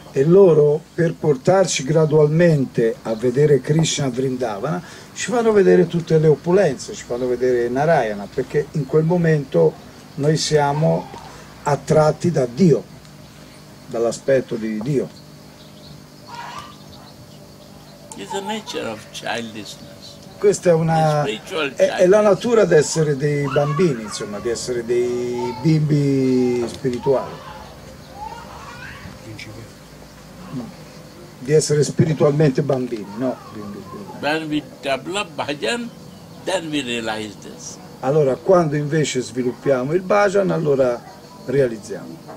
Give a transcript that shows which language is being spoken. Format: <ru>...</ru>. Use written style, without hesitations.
<it>E loro, per portarci gradualmente a vedere Krishna Vrindavana, ci fanno vedere tutte le opulenze, ci fanno vedere Narayana, perché in quel momento noi siamo attratti da Dio, dall'aspetto di Dio.</it> <en>It's the nature of childishness.</en> <it>Questa è una è la natura di essere dei bambini, insomma, di essere dei bimbi spirituali. Di essere spiritualmente bambini, no?</it> <en>When we develop bhajan, then we realize this.</en> <it>Allora, quando invece sviluppiamo il bhajan, allora realizziamo.</it>